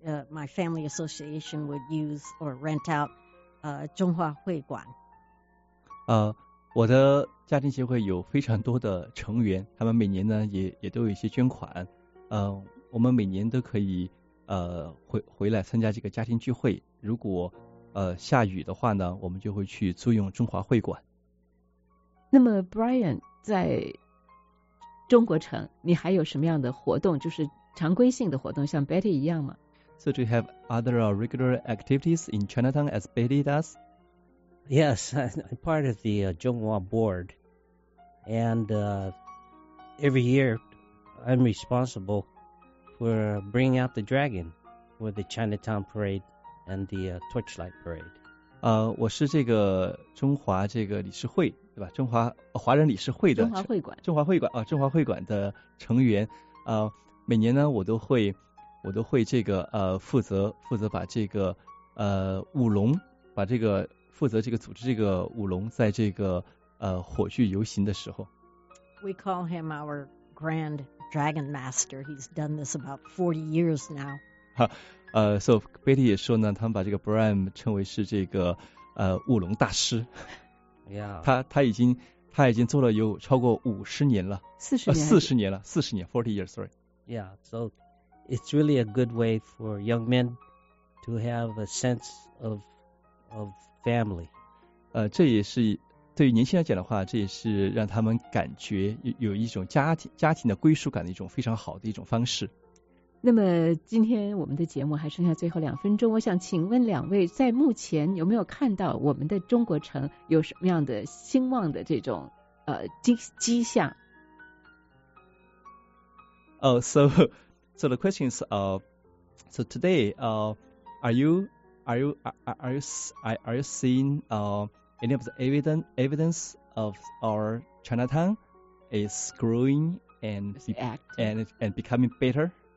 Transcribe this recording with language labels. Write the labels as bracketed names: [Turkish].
[English] my family association would use or rent out 中华会馆。 [Chinese] 我的家庭协会有非常多的成员，他们每年呢也都有一些捐款。我们每年都可以回来参加这个家庭聚会。如果下雨的话呢，我们就会去租用中华会馆。那么 Brian 在中国城，你还有什么样的活动，就是常规性的活动，像 Betty 一样吗？ [English] So do you have other regular activities in Chinatown as Betty does? Yes, I'm part of the Zhonghua board. And every year, I'm responsible for bringing out the dragon for the Chinatown parade and the torchlight parade. [Chinese] 我是这个中华这个理事会，对吧？中华华人理事会的中华会馆，中华会馆啊，中华会馆的成员。每年呢，我都会这个负责把这个舞龙，把这个负责这个组织这个舞龙，在这个火炬游行的时候。 [English] We call him our grand dragon master. He's done this about 40 years now. [Chinese] So Betty 也说呢，他们把这个 Brian 称为是这个舞龙大师。 [English] Yeah. [Chinese] 他已经做了有超过50年了，四十年 [English] ，40 years, sorry. Yeah, so it's really a good way for young men to have a sense of family. [Chinese] 这也是对于年轻人讲的话，这也是让他们感觉有一种家庭的归属感的一种非常好的一种方式。那么今天我们的节目还剩下最后2分钟，我想请问两位，在目前有没有看到我们的中国城有什么样的兴旺的这种迹象？ [English] So the question is, so today, are you seeing any of the evidence of our Chinatown is growing and becoming better?